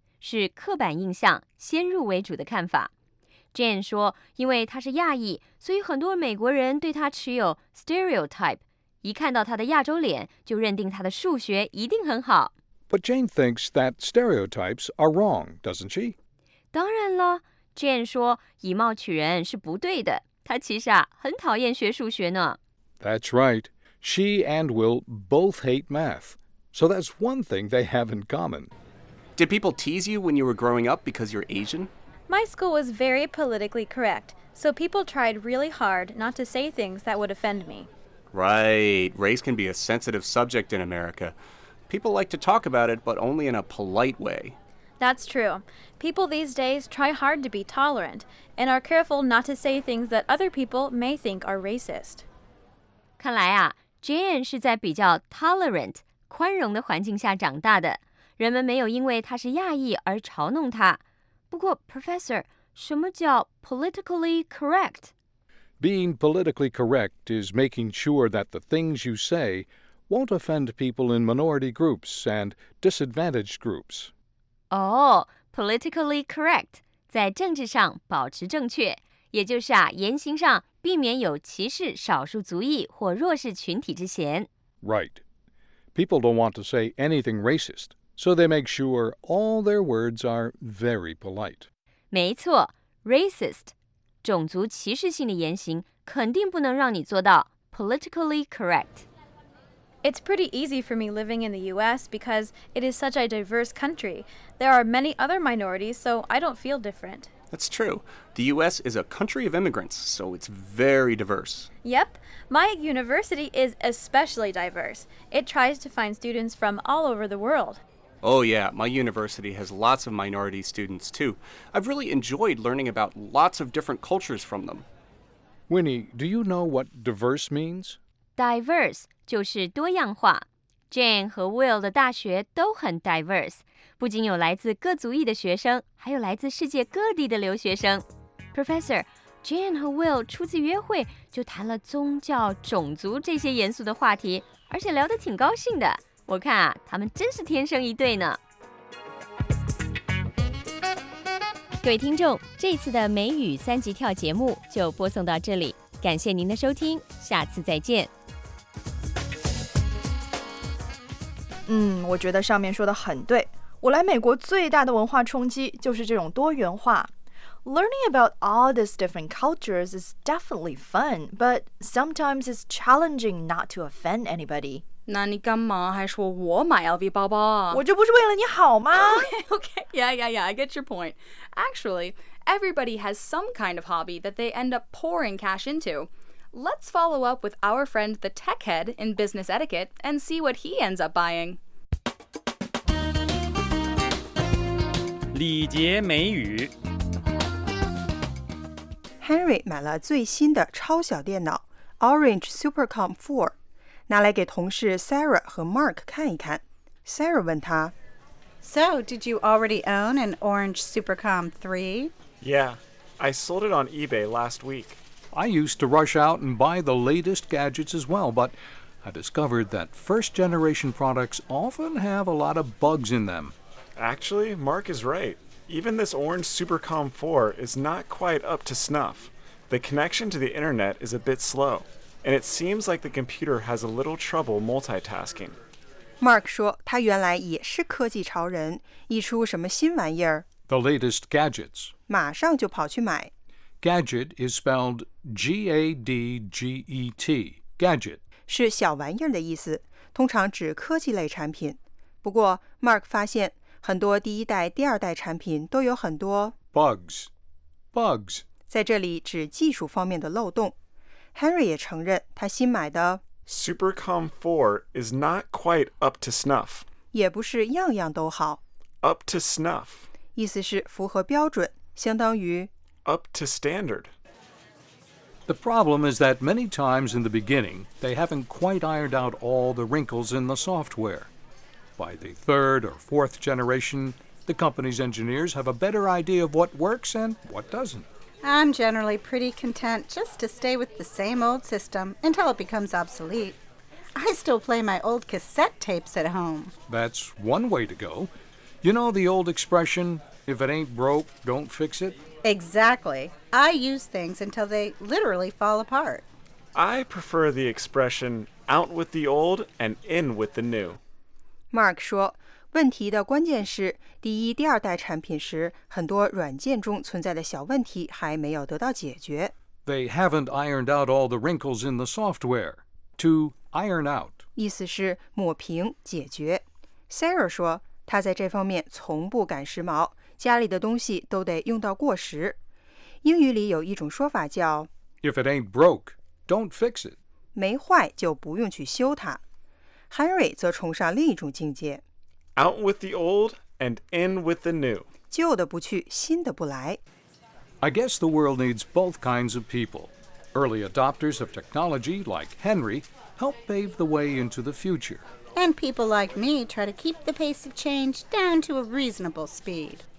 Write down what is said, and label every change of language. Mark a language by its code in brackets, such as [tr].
[zh] 是刻板印象，先入为主的看法。Jane 说，因为他是亚裔，所以很多美国人对他持有 stereotype， 一看到他的亚洲脸，就认定他的数学一定很好。 [en] But Jane thinks that stereotypes are wrong, doesn't she? [zh] 当然了 ，Jane 说，以貌取人是不对的。他其实啊，很讨厌学数学呢。 [en] That's right. She and Will both hate math, so that's one thing they have in common. Did people tease you when you were growing up because you're Asian? My school was very politically correct, so people tried really hard not to say things that would offend me. Right. Race can be a sensitive subject in America. People like to talk about it, but only in a polite way. That's true. People these days try hard to be tolerant and are careful not to say things that other people may think are racist. [zh] 看来啊 ,Jane 是在比较 tolerant, 宽容的环境下长大的。人们没有因为他是亚裔而嘲弄他。不过 ，Professor， 什么叫 [en] politically correct？ Being politically correct is making sure that the things you say won't offend people in minority groups and disadvantaged groups. Oh, politically correct. [zh] 在政治上保持正确，也就是啊，言行上避免有歧视少数族裔或弱势群体之嫌。 [en] Right. People don't want to say anything racist, so they make sure all their words are very polite. [zh] 没错 ,racist, 种族歧视性的言行肯定不能让你做到 [en] politically correct. It's pretty easy for me living in the US because it is such a diverse country. There are many other minorities, so I don't feel different. That's true. The US is a country of immigrants, so it's very diverse. Yep. My university is especially diverse. It tries to find students from all over the world. Oh yeah, my university has lots of minority students too. I've really enjoyed learning about lots of different cultures from them. Winnie, do you know what diverse means? [zh] Diverse 就是多样化。Jane 和 Will 的大学都很 diverse。不仅有来自各族裔的学生，还有来自世界各地的留学生。 Professor, Jane 和 Will 初次约会就谈了宗教、种族这些严肃的话题，而且聊得挺高兴的。我看啊，他们真是天生一对呢。各位听众，这次的美语三级跳节目就播送到这里，感谢您的收听，下次再见。嗯，我觉得上面说的很对。我来美国最大的文化冲击就是这种多元化。 [en] Learning about all these different cultures is definitely fun, but sometimes it's challenging not to offend anybody. [zh] 那你干嘛还说我买 LV 包包啊？我这不是为了你好吗？ [en] Okay, yeah, yeah, yeah, I get your point. Actually, everybody has some kind of hobby that they end up pouring cash into. Let's follow up with our friend the tech head in business etiquette and see what he ends up buying. [zh] 礼节美语 Henry 买了最新的超小电脑 Orange Supercomp 4拿来给同事 Sarah 和 Mark 看一看 Sarah 问他 [en] So, did you already own an Orange Supercomp 3? Yeah, I sold it on eBay last week. I used to rush out and buy the latest gadgets as well, but I discovered that first generation products often have a lot of bugs in them. Actually, Mark is right. Even this Orange Supercomp 4 is not quite up to snuff. The connection to the internet is a bit slow, and it seems like the computer has a little trouble multitasking. [zh] Mark 说他原来也是科技潮人，一出什么新玩意儿 [en] The latest gadgets. [zh] 马上就跑去买 [en] Gadget is spelled G-A-D-G-E-T. Gadget [zh] 是小玩意儿的意思，通常指科技类产品。不过 Mark 发现很多第一代、第二代产品都有很多 [en] bugs [zh] 在这里指技术方面的漏洞。Henry 也承认他新买的 [en] Supercomp 4 is not quite up to snuff， [zh] 也不是样样都好。 [en] Up to snuff [zh] 意思是符合标准，相当于 [en] up to standard。 The problem is that many times in the beginning, they haven't quite ironed out all the wrinkles in the software. By the third or fourth generation, the company's engineers have a better idea of what works and what doesn't. I'm generally pretty content just to stay with the same old system until it becomes obsolete. I still play my old cassette tapes at home. That's one way to go. You know the old expression, if it ain't broke, don't fix it? Exactly. I use things until they literally fall apart. I prefer the expression, out with the old and in with the new. [zh] Mark 说，问题的关键是第一、第二代产品时，很多软件中存在的小问题还没有得到解决。 [en] They haven't ironed out all the wrinkles in the software. To iron out. [zh] 意思是抹平、解决。 Sarah 说，她在这方面从不赶时髦，家里的东西都得用到过时。英语里有一种说法叫 [en] If it ain't broke, don't fix it. [zh] 没坏就不用去修它。 Henry 则崇尚另一种境界 [en] Out with the old and in with the new [zh] 旧的不去新的不来 [en] I guess the world needs both kinds of people Early adopters of technology like Henry help pave the way into the future And people like me try to keep the pace of change down to a reasonable speed